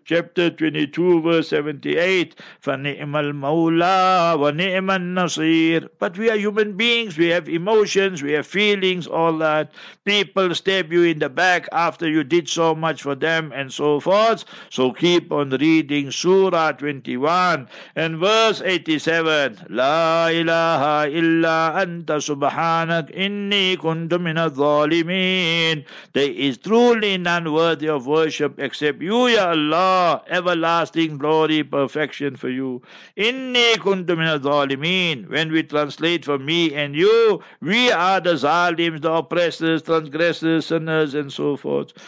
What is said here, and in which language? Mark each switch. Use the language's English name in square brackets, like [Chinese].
[English] Chapter 22, verse 78. [Arabic] فَنِئْمَ الْمَوْلَى وَنِئْمَ النَّصِيرُ. [English] But we are human beings. We have emotions. We have feelings, all that. People stab you in the back after you did so much for them and so forth. So keep on reading Surah 21 and verse 87. [Arabic] لا إله إلا أنت سبحانك إني كنت من الظالمين. [English] There is truly none worthy of worship except you, Ya Allah, everlasting glory, perfection for you. [Arabic] إني كنت من الظالمين. [English] When we translate for me and you, we are the zalims, the oppressors, transgressors, sinners, and so forth.